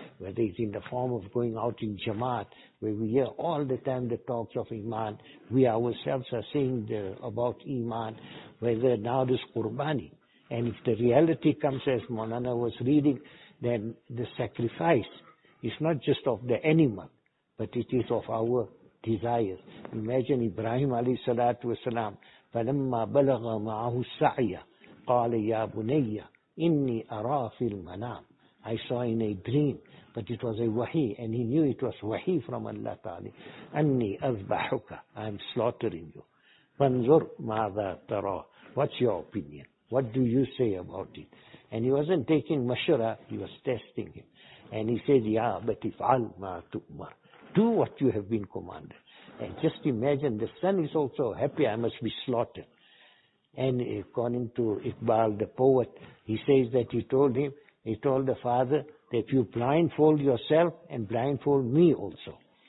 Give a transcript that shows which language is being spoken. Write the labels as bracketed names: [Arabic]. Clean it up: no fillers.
[English] Whether it's in the form of going out in Jamaat, where we hear all the time the talks of iman, we ourselves are saying about iman, whether now this qurbani, and if the reality comes as Maulana was reading, then the sacrifice is not just of the animal, but it is of our desires. Imagine Ibrahim alayhi salatu wasalam, [Arabic] فَلَمَّا بَلَغَ مَعَهُ السَّعْيَ قَالَ يَا بُنَيَّ إِنِّي أَرَى فِي الْمَنَامِ. [English] I saw in a dream, but it was a wahi, and he knew it was wahi from Allah Ta'ala. [Arabic] أَنِّي أَذْبَحُكَ. [English] I'm slaughtering you. [Arabic] فَانْظُرْ مَاذَا تَرَى. [English] What's your opinion? What do you say about it? And he wasn't taking mashura, he was testing him. And he said, [Arabic] يَا بَتِفْعَلْ مَا تُؤْمَرْ. [English] Do what you have been commanded. And just imagine, the son is also happy, I must be slaughtered. And according to Iqbal, the poet, he says that he told the father that you blindfold yourself and blindfold me also.